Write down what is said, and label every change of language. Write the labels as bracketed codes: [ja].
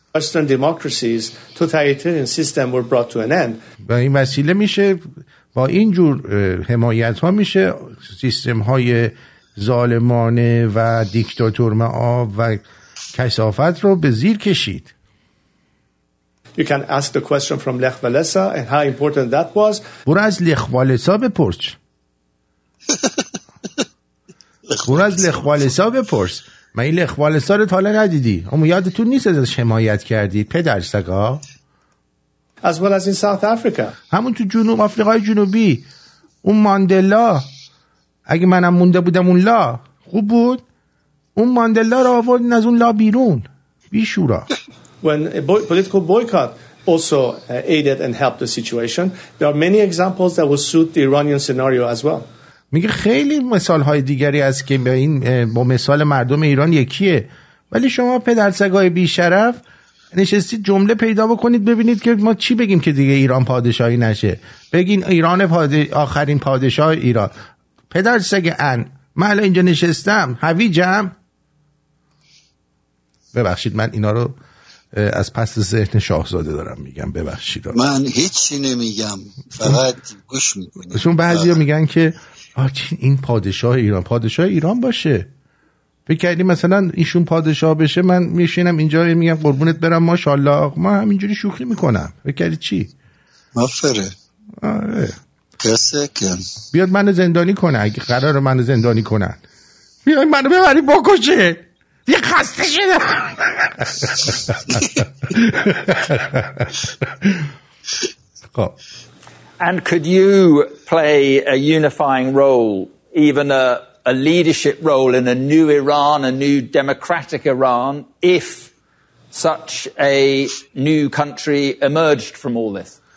[en] Western democracies, totalitarian system were brought to an end. [fa] با این وسیله میشه، با این جور حمایت ها میشه سیستم های ظالمانه و دیکتاتور معاب و کثافت رو به زیر کشید. [en] You can ask the question from Lech Walesa and how important that was. [fa] برو از لخ والسا بپرس. خور از لخوالسا بپرس. من این لخوالسا رو تاله ندیدی، اما یادتون نیست از شمایت کردی پدر سگا. [en] As well as in South Africa. [fa] همون تو جنوب آفریقای جنوبی اون ماندلا، اگه منم مونده بودم اون لا خوب بود، اون ماندلا رو آوردن از اون لا بیرون بی شورا. [en] When a political boycott also aided and helped the situation, there are many examples that will suit the Iranian scenario as well. [fa] میگه خیلی مثال‌های دیگری هست که به این با مثال مردم ایران یکیه، ولی شما پدرسگای بیشرف نشستید جمله پیدا بکنید ببینید که ما چی بگیم که دیگه ایران پادشاهی نشه. بگین ایران آخرین پادشاه ایران پدرسگ ان. من الان اینجا نشستم هویجم. ببخشید من اینا رو از پس ذهن شاهزاده دارم میگم، ببخشید. من هیچی نمیگم، فقط گوش میکنم. چون بعضیا میگن که آرتین این پادشاه ایران باشه، فکر کردی مثلا ایشون پادشاه بشه من میشینم اینجا میگم قربونت برم ماشاءالله، من همینجوری شوخی میکنم، فکر کردی چی؟ مفره آره بسکن. بیاد منو زندانی کنه، اگه قرار منو زندانی کنن بیاد منو ببری بکشه، یه خسته شده. خب [en] And could you play a unifying role, even a leadership role in a new Iran, a new democratic Iran, if such a new country emerged from all this?